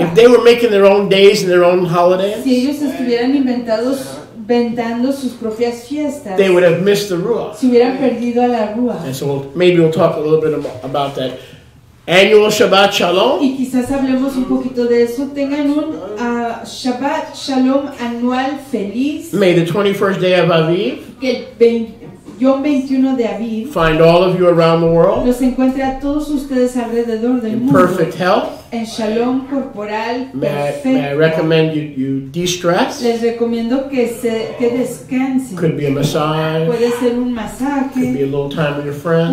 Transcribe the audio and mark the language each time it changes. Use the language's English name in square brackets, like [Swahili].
[English] If they were making their own days and their own holidays, [Spanish] si ellos estuvieran inventando sus propias fiestas, [English] they would have missed the Ruach. [Spanish] Si hubieran perdido a la Ruach. [English] And so maybe we'll talk a little bit about that. annual Shabbat Shalom. [Spanish] Y quizás hablemos un poquito de eso. Tengan un Shabbat Shalom anual feliz. [English] May the 21st day of Aviv. [Spanish] Que Yom 21 de Aviv. [English] Find all of you around the world. [Spanish] Los encuentre a todos ustedes alrededor del [English] in [Spanish] mundo. [English] Perfect health. [Spanish] En Shalom corporal. [English] May I recommend you de-stress. [Spanish] Les recomiendo que descansen. [English] Could be a massage. [Spanish] Puede ser un masaje. [English] Could be a little time with your friends.